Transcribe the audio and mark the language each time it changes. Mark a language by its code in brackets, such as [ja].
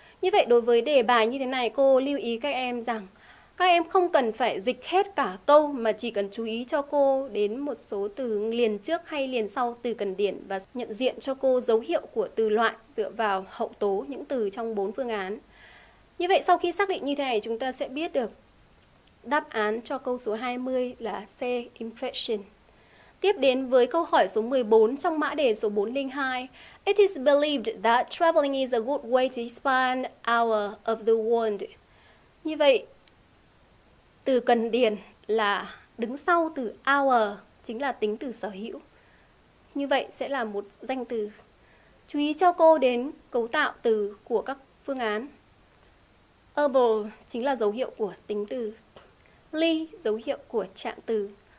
[vi] Như vậy đối với đề bài như thế này, cô lưu ý các em rằng các em không cần phải dịch hết cả câu mà chỉ cần chú ý cho cô đến một số từ liền trước hay liền sau từ cần điền và nhận diện cho cô dấu hiệu của từ loại dựa vào hậu tố những từ trong bốn phương án. Như vậy sau khi xác định như thế này, chúng ta sẽ biết được đáp án cho câu số 20 là C, impression. Tiếp đến với câu hỏi số 14 trong mã đề số 402. [en] It is believed that traveling is a good way to expand our of the world. [vi] Như vậy từ cần điền là đứng sau từ our, chính là tính từ sở hữu. Như vậy sẽ là một danh từ. Chú ý cho cô đến cấu tạo từ của các phương án. Able chính là dấu hiệu của tính từ. Ly dấu hiệu của trạng từ.